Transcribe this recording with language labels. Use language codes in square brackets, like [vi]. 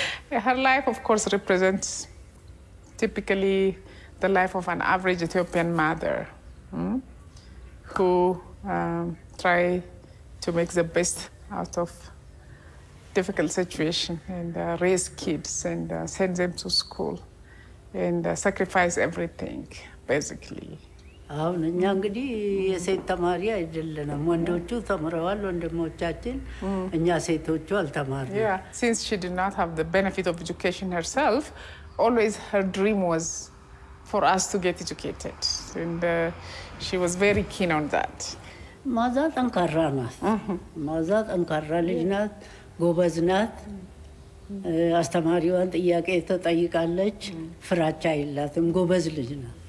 [en] Her life, of course, represents typically the life of an average Ethiopian mother who try to make the best out of difficult situation and raise kids and send them to school and sacrifice everything basically [am] አሁን እኛ እንግዲህ የሴት ተማሪ አይደለንም ወንዶቹ ተምረዋል ወንድሞቻችን እኛ ሴቶቹ አልተማርንም [en] yeah since she did not have the benefit of education herself always her dream was for us to get educated and she was very keen on that [am] ማዛት አንካራ ናት ማዛት አንካራ ልጅ ናት ጎበዝ ናት አስተማሪዋን ጥያቄ ተጠይቃለች ፍራቻ የላትም ጎበዝ ልጅ ናት